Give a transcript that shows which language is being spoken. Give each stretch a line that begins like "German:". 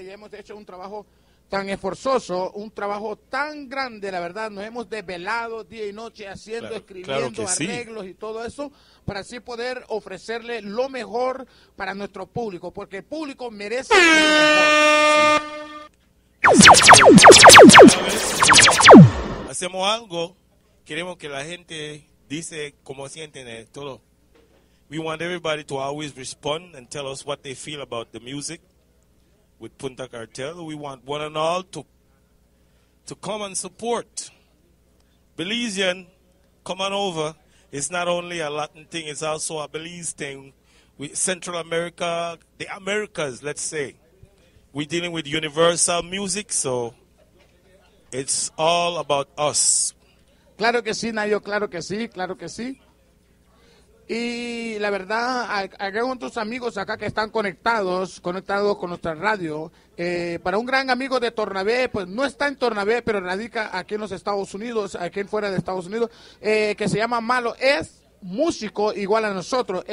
Spanish: Y hemos hecho un trabajo tan esforzoso, un trabajo tan grande, la verdad, nos hemos desvelado día y noche haciendo, claro, escribiendo, claro, arreglos, sí, y todo eso, para así poder ofrecerle lo mejor para nuestro público, porque el público merece. Hacemos algo, queremos que la gente dice cómo sienten todo.
English: We want everybody to always respond and tell us what they feel about the music. With Punta Cartel, we want one and all to to come and support. Belizean, coming over, it's not only a Latin thing, it's also a Belize thing. We, Central America, the Americas, let's say. We're dealing with universal music, so it's all about us.
Spanish: Claro que sí, Nayo, claro que sí, claro que sí. Y la verdad, hay otros amigos acá que están conectados con nuestra radio. Para un gran amigo de Tornabé, pues no está en Tornabé, pero radica aquí en los Estados Unidos, aquí en fuera de Estados Unidos, que se llama Malo, es músico igual a nosotros.